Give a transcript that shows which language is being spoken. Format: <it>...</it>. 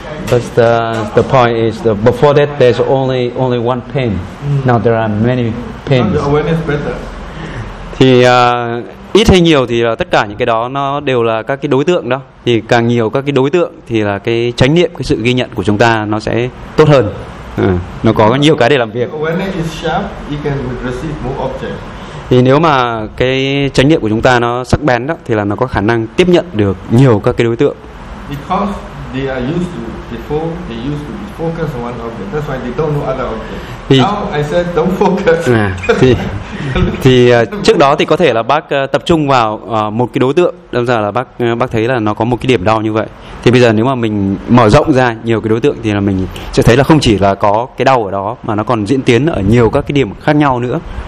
<en>But the point is that before that there's only one pain. Now there are many pains.</en> <vi>Thì ít hay nhiều thì là tất cả những cái đó nó đều là các cái đối tượng đó. Thì càng nhiều các cái đối tượng thì là cái chánh niệm, cái sự ghi nhận của chúng ta nó sẽ tốt hơn. Nó có nhiều cái để làm việc.</vi> <en>Awareness is sharp, you can receive more objects.</en> <vi>Thì nếu mà cái chánh niệm của chúng ta nó sắc bén đó thì là nó có khả năng tiếp nhận được nhiều các cái đối tượng.</vi> <en>Because they are used to before, they used to be focused on one object. That's why they don't know other objects.</en> <vi>Thì,</vi> <en>now I said don't focus.</en> <vi>thì trước đó thì có thể là bác tập trung vào một cái đối tượng, đâm ra là bác thấy là nó có một cái điểm đau như vậy. Thì bây giờ nếu mà mình mở rộng ra nhiều cái đối tượng thì là mình sẽ thấy là không chỉ là có cái đau ở đó mà nó còn diễn tiến ở nhiều các cái điểm khác nhau nữa.</vi>